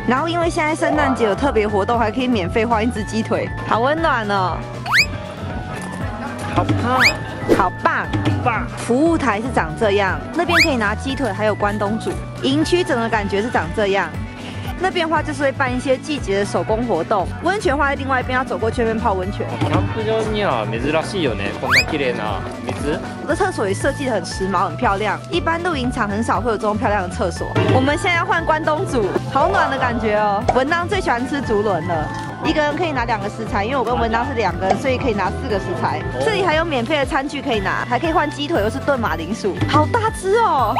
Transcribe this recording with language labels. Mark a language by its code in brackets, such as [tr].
[zh] 然后因为现在圣诞节有特别活动，还可以免费换一只鸡腿，好温暖哦。好棒，好棒，棒！服务台是长这样，那边可以拿鸡腿，还有关东煮。营区整个感觉是长这样，那边的话就是会办一些季节的手工活动，温泉话在另外一边要走过去那边泡温泉。 [ja] キャンプ場には珍しいよね、こんな綺麗な水。 [zh] 我的厕所也设计得很时髦，很漂亮。一般露营场很少会有这种漂亮的厕所。我们现在要换关东煮，好暖的感觉哦。文章最喜欢吃竹轮了。一个人可以拿两个食材，因为我跟文章是两个人，所以可以拿四个食材。这里还有免费的餐具可以拿，还可以换鸡腿，又是炖马铃薯，好大只哦。